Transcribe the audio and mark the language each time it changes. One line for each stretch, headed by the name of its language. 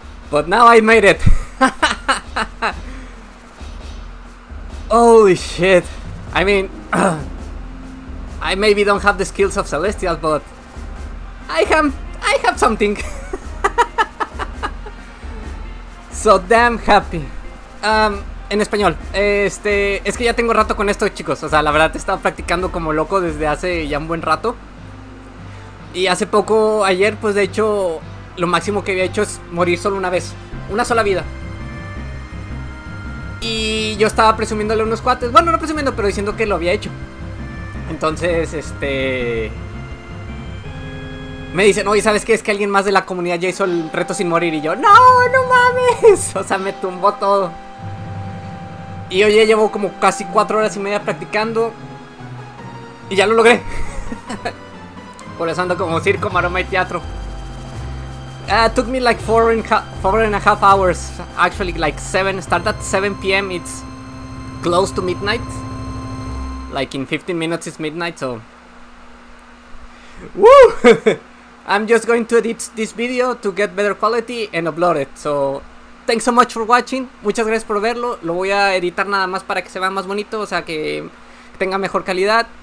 English: But now I made it! Holy shit! I mean, I maybe don't have the skills of Celestial, but I have something. So damn happy.
Spanish: En español, es que ya tengo rato con esto, chicos. O sea, la verdad, he estado practicando como loco desde hace ya un buen rato. Y hace poco, ayer, pues de hecho, lo máximo que había hecho es morir solo una vez, una sola vida. Y yo estaba presumiéndole a unos cuates. Bueno, no presumiendo, pero diciendo que lo había hecho. Entonces, me dicen, oye, ¿sabes qué? Es que alguien más de la comunidad ya hizo el reto sin morir. Y yo, ¡no, no mames! O sea, me tumbó todo. Y hoy ya llevo como casi 4 horas y media practicando. Y ya lo logré. Por eso ando como circo, maroma y teatro.
English: Took me like four and a half hours. Actually, like seven. Start at 7 p.m. It's close to midnight. Like in 15 minutes, it's midnight. So, woo! I'm just going to edit this video to get better quality and upload it. So, thanks so much for watching.
Spanish: Muchas gracias por verlo. Lo voy a editar nada más para que se vea más bonito, o sea que tenga mejor calidad.